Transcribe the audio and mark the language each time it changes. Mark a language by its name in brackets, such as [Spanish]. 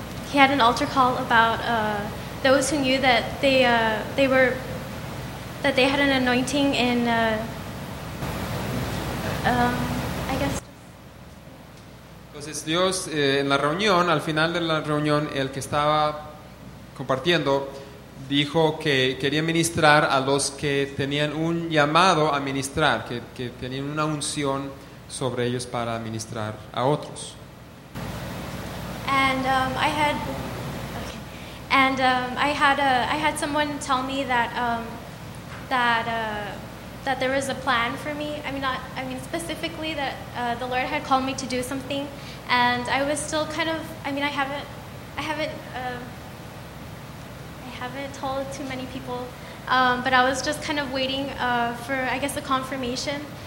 [English] He had an altar call about those who knew that they were, that they had an anointing in, I guess. [Spanish] Entonces Dios en la reunión, al final de la reunión, el que estaba compartiendo dijo que quería ministrar a los que tenían un llamado a ministrar, que tenían una unción sobre ellos para ministrar a otros. [English] And I had someone tell me that that there was a plan for me. Specifically that the Lord had called me to do something. And I was still kind of, I haven't told too many people, but I was just kind of waiting for, I guess, a confirmation.